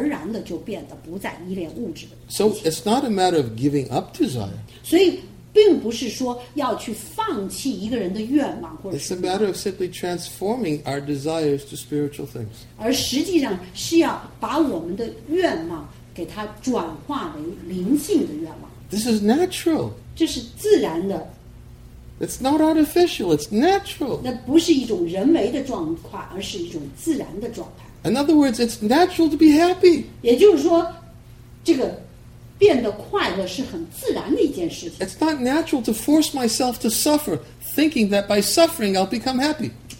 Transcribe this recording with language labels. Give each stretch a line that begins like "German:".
Chinese: 也就是说，随着我们越来越依恋为至尊者做服务，我们自然而然的就变得不再依恋物质。
English: So it's not a matter of giving up desire.
Chinese: 并不是说要去放弃一个人的愿望，或者
English: It's a matter of simply transforming our desires to spiritual things.
Chinese: 而实际上是要把我们的愿望给它转化为灵性的愿望。
English: This is natural.
Chinese: 这是自然的。
English: It's not artificial, it's natural.
Chinese: 那不是一种人为的状况，而是一种自然的状态。
English: In other words, it's natural to be happy.
Chinese: 也就是说，这个 变得快乐是很自然的一件事情。
English: It's not natural to force myself to suffer, thinking that by suffering I'll become happy.